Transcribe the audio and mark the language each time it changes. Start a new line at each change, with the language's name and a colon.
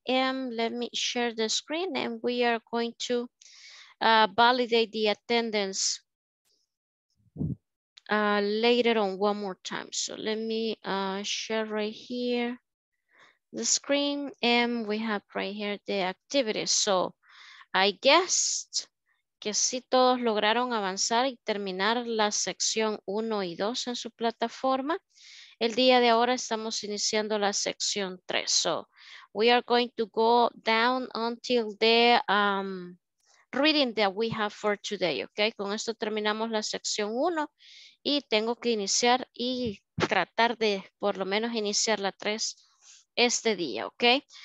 English: And let me share the screen and we are going to validate the attendance later on one more time. So let me share right here the screen and we have right here the activities. So I guess
Spanish: que sí todos lograron avanzar y terminar la sección 1 y 2 en su plataforma. El día de ahora estamos iniciando la sección 3.
English: So we are going to go down until the reading that we have for today, okay?
Spanish: Con esto terminamos la sección 1 y tengo que iniciar y tratar de por lo menos iniciar la 3 este día, okay?